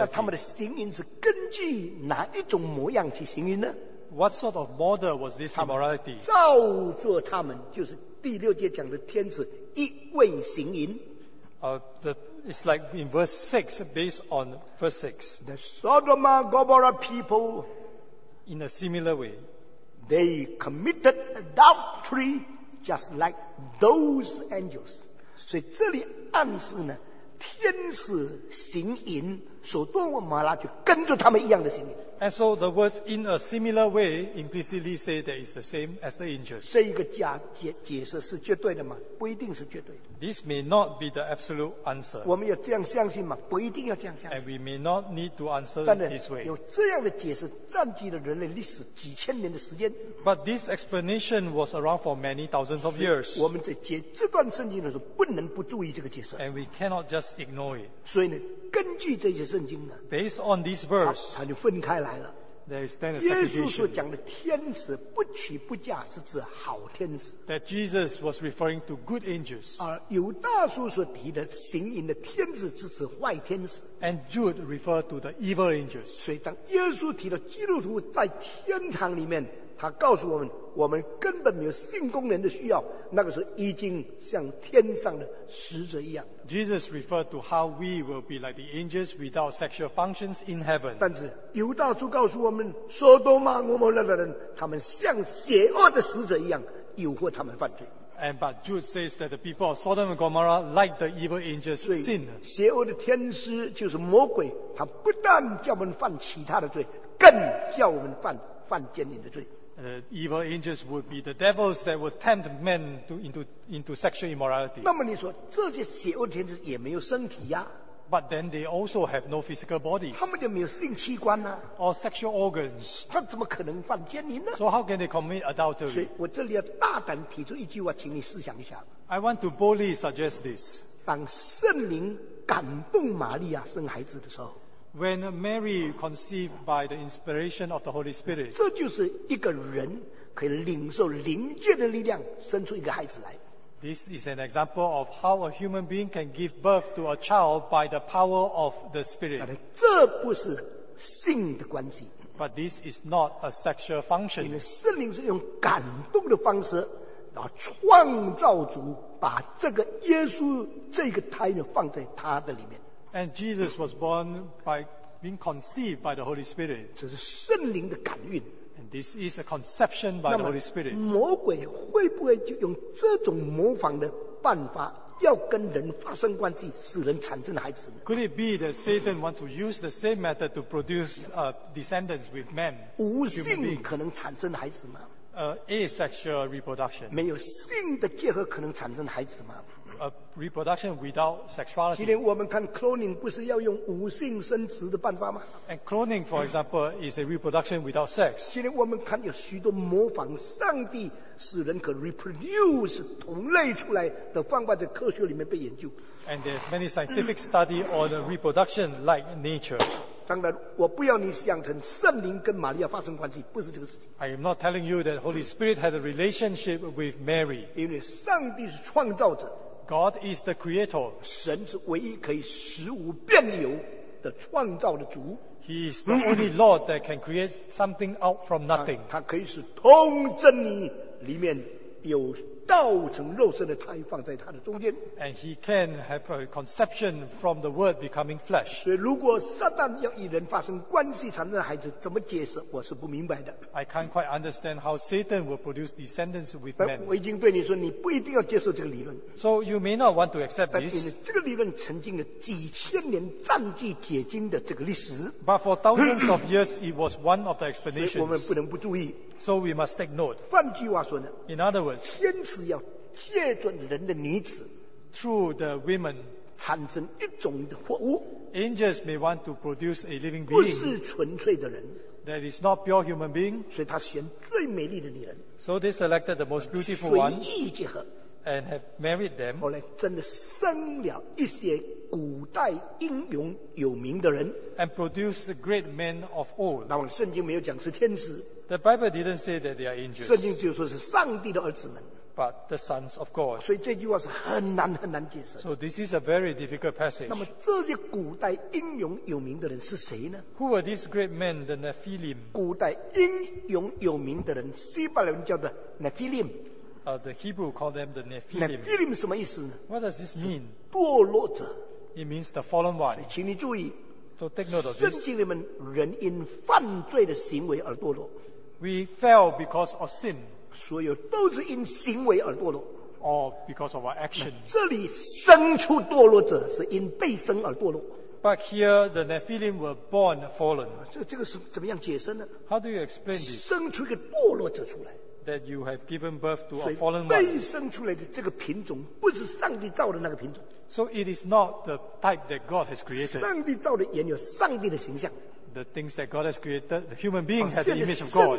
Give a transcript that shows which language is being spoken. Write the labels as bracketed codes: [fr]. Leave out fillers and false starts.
[zh] 那他们的行淫是根据哪一种模样去行淫呢？ [en] What sort of model was this immorality? [zh] 造作他们就是第六节讲的天子一味行淫。 [en] It's like in verse 6, based on verse 6. The Sodom and Gomorrah people, in a similar way, they committed adultery just like those angels. [zh] 所以这里暗示呢，天使行淫，所多玛拉就跟着他们一样的行淫。 [en] And so the words in a similar way implicitly say that it's the same as the angels. [zh] 这一个 解释是绝对的吗？不一定是绝对的。 [en] This may not be the absolute answer. [zh] 我们要这样相信吗？不一定要这样相信。 [en] And we may not need to answer it this way. [zh] 有这样的解释占据了人类历史几千年的时间。 [en] But this explanation was around for many thousands of years. [zh] 我们在解这段圣经的时候不能不注意这个解释。 [en] And we cannot just ignore it. [zh] 所以呢，根据这些圣经呢， [en] Based on this verse, [zh] 它就分开来了。耶稣所讲的天使不娶不嫁是指好天使。 [en] That Jesus was referring to good angels. [zh] 而犹大书所提的行淫的天使是指坏天使。 [en] And Jude referred to the evil angels. [zh] 所以当耶稣提到基督徒在天堂里面，他告诉我们，我们根本没有性功能的需要，那个时候已经像天上的使者一样。 [en] Jesus referred to how we will be like the angels without sexual functions in heaven. [zh] 但是犹大书告诉我们，所多玛、俄摩拉的人，他们像邪恶的使者一样，诱惑他们犯罪。 [en] And but Jude says that the people of Sodom and Gomorrah, like the evil angels, sin. [zh] 邪恶的天使就是魔鬼，他不但叫我们犯其他的罪，更叫我们犯奸淫的罪。 [en] Evil angels would be the devils that would tempt men into sexual immorality. [zh] 那么你说这些邪恶天使也没有身体呀、啊、 [en] ？But then they also have no physical bodies. [zh] 他们就没有性器官呐、啊、 [en] ？Or sexual organs. [zh] 他怎么可能犯奸淫呢 [en] ？So how can they commit adultery? [zh] 所以我这里要大胆提出一句话，请你思想一下。 [en] I want to boldly suggest this. [zh] 当圣灵感动玛利亚生孩子的时候。 [en] When Mary conceived by the inspiration of the Holy Spirit, [zh] 这就是一个人可以领受灵界的力量，生出一个孩子来。 [en] This is an example of how a human being can give birth to a child by the power of the Spirit. [zh] 这不是性的关系。 [en] But this is not a sexual function. [zh] 因为圣灵是用感动的方式，然后创造主把这个耶稣这个胎呢放在他的里面。 [en] And Jesus was born by being conceived by the Holy Spirit. [zh] 这是圣灵的感孕。 [en] And this is a conception by the Holy Spirit. [zh] 那么魔鬼会不会就用这种模仿的办法要跟人发生关系，使人产生孩子呢？ [en] Could it be that Satan wants to use the same method to produce descendants with men? [zh] 无性可能产生孩子吗？ [en] Asexual reproduction. [zh] 没有性的结合可能产生孩子吗？ [en] Reproduction without sexuality. [zh] 今天我们看 cloning 不是要用无性生殖的办法吗？ [en] And cloning, for example, is a reproduction without sex. [zh] 今天我们看有许多模仿上帝使人可 reproduce 同类出来的方法，在科学里面被研究。 [en] And there's many scientific study on reproduction like nature. [zh] 当然，我不要你想成圣灵跟玛利亚发生关系，不是这个事情。 [en] I am not telling you that Holy Spirit had a relationship with Mary. [zh] 因为上帝是创造者。 [en] God is the creator. [zh] 神是唯一可以实无变有的创造的主。 [en] He is the only Lord that can create something out from nothing. [zh] 他可以使通真理里面有道成肉身的胎放在他的中间。 [en] And he can have a conception from the word becoming flesh. [zh] 所以如果撒旦要与人发生关系产生孩子，怎么解释我是不明白的。 [en] I can't quite understand how Satan will produce descendants with men. [zh] 我已经对你说，你不一定要接受这个理论。 [en] So you may not want to accept this. [zh] 但这个理论曾经有几千年占据解经的这个历史。 [en] But for thousands of years, it was one of the explanations. [zh] 所以我们不能不注意。 [en] So we must take note. [zh] 换句话说呢？ [en] In other words, [zh] 天使要借着人的女子 [en] through the women, [zh] 产生一种的活物。 [en] Angels may want to produce a living being. [zh] 不是纯粹的人。 [en] That is not pure human being. [zh] 所以他选最美丽的女人。 [en] So they selected the most beautiful one. [zh] 随意结合。 [en] and have married them. [zh] 后来真的生了一些古代英勇有名的人。 [en] And produce the great men of old. [zh] 那么圣经没有讲是天使。 [en] The Bible didn't say that they are angels. [zh] 圣经就说是上帝的儿子们。 [en] But the sons of God. [zh] 所以这句话是很难很难解释。 [en] So this is a very difficult passage. [zh] 那么这些古代英勇有名的人是谁呢？ [en] Who were these great men, the Nephilim? [zh] 古代英勇有名的人，希伯来人叫做 Nephilim。 [en] The Hebrew call them the Nephilim. [zh] Nephilim 什么意思呢？ [en] What does this mean? [zh] 堕落者。 [en] It means the fallen one. [zh] 所以请你注意。 [en] So take note of this. [zh] 圣经里面人因犯罪的行为而堕落。 [en] We fell because of sin. [zh] 所有都是因行为而堕落。 [en] All because of our actions. [zh] 这里生出堕落者是因被生而堕落。 [en] But here the Nephilim were born fallen. [zh] 这个是怎么样解释呢？ [en] How do you explain this? [zh] 生出一个堕落者出来。 [en] That you have given birth to a fallen one. [zh] 所以被生出来的这个品种不是上帝造的那个品种。 [en] So it is not the type that God has created. [zh] 上帝造的原有上帝的形象。 [en] The things that God has created, the human being has the image of God.